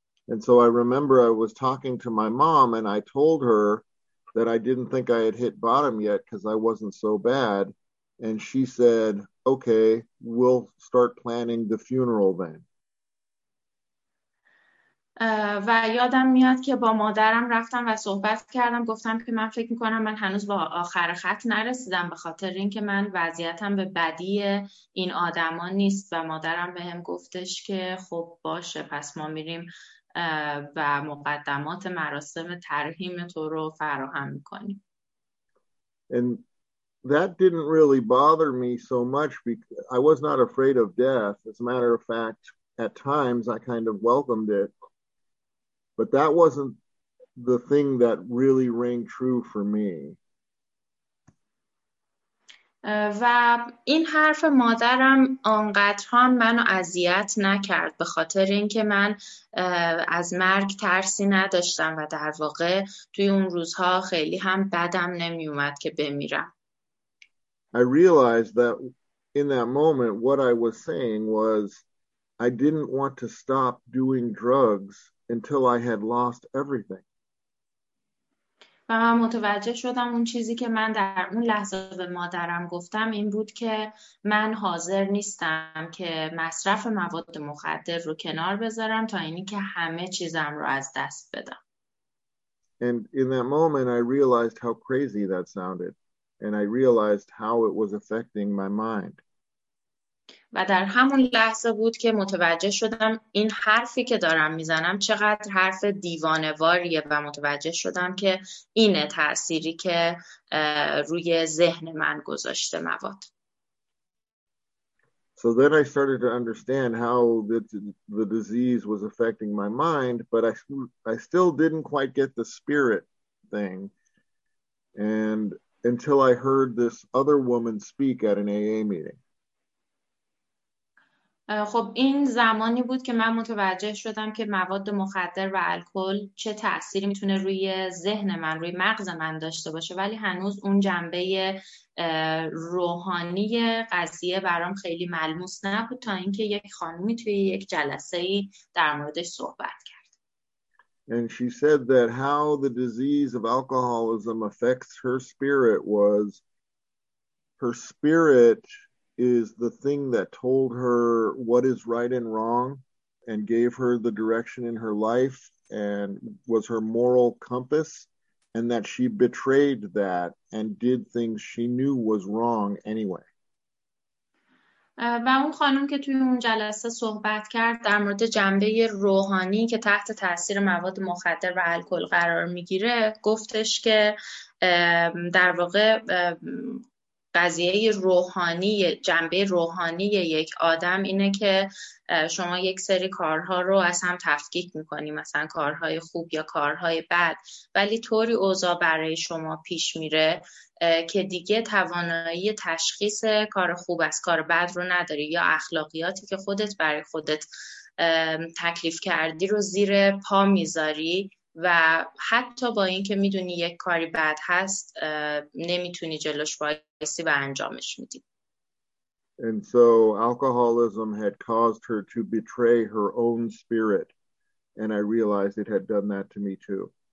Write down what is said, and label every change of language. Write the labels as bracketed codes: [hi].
[en] And so I remember I was talking to my mom and I told her that I didn't think I had hit bottom yet because I wasn't so bad. And she said, okay, we'll start planning the funeral then. [fa] و یادم میاد که با مادرم رفتم و صحبت کردم، گفتم که من فکر میکنم من هنوز با آخر خط نرسیدم به خاطر اینکه من وضعیتم به بدی این آدما نیست، و مادرم بهم گفتش که خب باشه، پس ما میریم و مقدمات مراسم ترحیم تو رو فراهم میکنیم. [en] And that didn't really bother me so much because I was not afraid of death. As a matter of fact, at times I kind of welcomed it. But that wasn't the thing that really rang true for me. [fa] و این حرف مادرم آنقدر هم منو اذیت نکرد، به خاطر اینکه من از مرگ ترسی نداشتم و در واقع توی اون روزها خیلی هم بدم نمی اومد که بمیرم. [en] I realized that in that moment, what I was saying was, I didn't want to stop doing drugs until I had lost everything. [fa] و من متوجه شدم اون چیزی که من در اون لحظه به مادرم گفتم این بود که من حاضر نیستم که مصرف مواد مخدر رو کنار بذارم تا اینی که همه چیزم رو از دست بدم. [en] And in that moment, I realized how crazy that sounded. And I realized how it was affecting my mind. [fa] و در همون لحظه بود که متوجه شدم این حرفی که دارم میزنم چقدر حرف دیوانواریه و متوجه شدم که اینه تأثیری که روی ذهن من گذاشته مواد. [en] So then I started to understand how the disease was affecting my mind, but I still didn't quite get the spirit thing. And until I heard this other woman speak at an AA meeting. [fa] خب این زمانی بود که من متوجه شدم که مواد مخدر و الکل چه تأثیری میتونه روی ذهن من، روی مغز من داشته باشه، ولی هنوز اون جنبه روحانی قضیه برام خیلی ملموس نبود تا اینکه یک خانومی توی یک جلسه‌ای در موردش صحبت کرد. [en] And she said that how the disease of alcoholism affects her spirit was her spirit is the thing that told her what is right and wrong and gave her the direction in her life and was her moral compass, and that she betrayed that and did things she knew was wrong anyway. [fa] و اون خانم که توی اون جلسه صحبت کرد در مورد جنبه روحانی که تحت تأثیر مواد مخدر و الکل قرار میگیره گفتش که در واقع قضیه روحانی، جنبه روحانی یک آدم اینه که شما یک سری کارها رو از هم تفکیک میکنی، مثلا کارهای خوب یا کارهای بد، ولی طوری اوضاع برای شما پیش میره که دیگه توانایی تشخیص کار خوب از کار بد رو نداری یا اخلاقیاتی که خودت برای خودت تکلیف کردی رو زیر پا میذاری و حتی با اینکه میدونی یک کاری بد هست نمیتونی جلوش وایسی و انجامش میدی. [en] And so alcoholism had caused her to betray her own spirit, and I realized it had done that to me too.